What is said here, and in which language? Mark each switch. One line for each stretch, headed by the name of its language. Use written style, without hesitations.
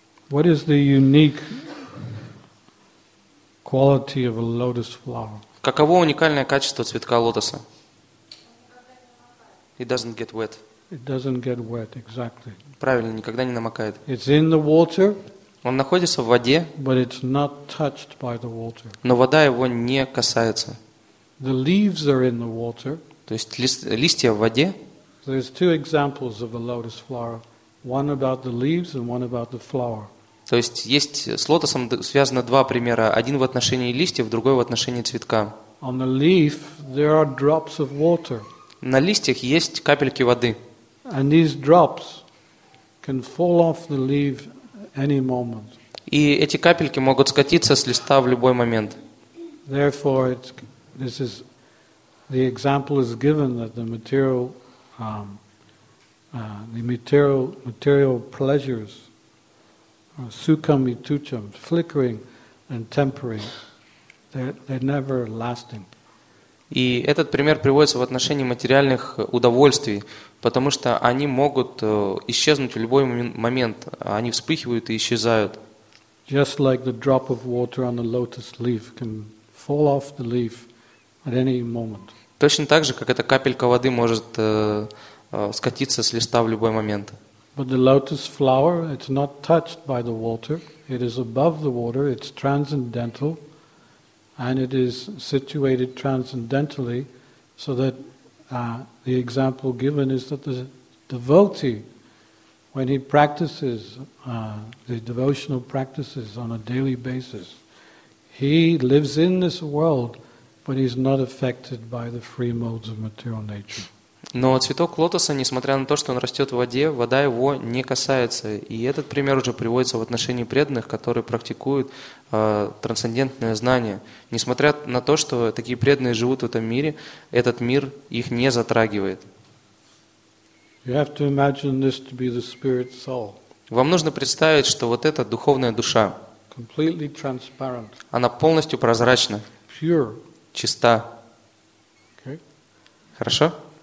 English: What is the unique quality of a lotus flower?
Russian: Каково уникальное качество цветка лотоса?
English: It doesn't get wet. It doesn't get wet, exactly.
Russian: Правильно, никогда не намокает.
English: It's in the water.
Russian: Он находится в воде,
English: but it's not touched by the water.
Russian: Но вода его не касается.
English: The leaves are in the water.
Russian: То есть листья в воде.
English: There's two examples of a lotus flower, one about the leaves and one about the flower.
Russian: То есть есть с лотосом связано два примера, один в отношении листьев, другой в отношении цветка.
English: On the leaf there are drops of water.
Russian: На листьях есть капельки воды.
English: And these drops can fall off the leaf any moment.
Russian: И эти капельки могут скатиться с листа в любой момент.
English: Therefore, this is the example is given that the material, material pleasures, sukham и tucham, flickering and temporary, they're never lasting.
Russian: И этот пример приводится в отношении материальных удовольствий, потому что они могут исчезнуть в любой момент, они вспыхивают и исчезают.
English: Just like the drop of water on the lotus leaf can fall off the leaf at any moment.
Russian: Точно так же, как эта капелька воды может скатиться с листа в любой момент.
English: But the lotus flower, it's not touched by the water, it is above the water, it's transcendental. And it is situated transcendentally, so that the example given is that the devotee, when he practices the devotional practices on a daily basis, he lives in this world, but he's not affected by the free modes of material nature.
Russian: Но цветок лотоса, несмотря на то, что он растет в воде, вода его не касается. И этот пример уже приводится в отношении преданных, которые практикуют трансцендентное знание. Несмотря на то, что такие преданные живут в этом мире, этот мир их не затрагивает.
English: You have to imagine this to be the spirit soul.
Russian: Вам нужно представить, что вот эта духовная душа,
English: completely transparent.
Russian: Она полностью прозрачна,
English: pure.
Russian: Чиста.
English: Okay.
Russian: Хорошо?